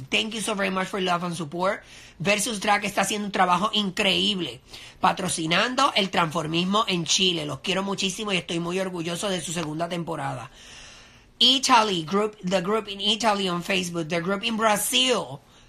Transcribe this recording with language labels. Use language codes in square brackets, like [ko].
[en] Thank you so very much for love and support. [es] Versus Drag está haciendo un trabajo increíble patrocinando el transformismo en Chile. Los quiero muchísimo y estoy muy orgulloso de su segunda temporada. [en] Italy group, the group in Italy on Facebook, the group in Brazil.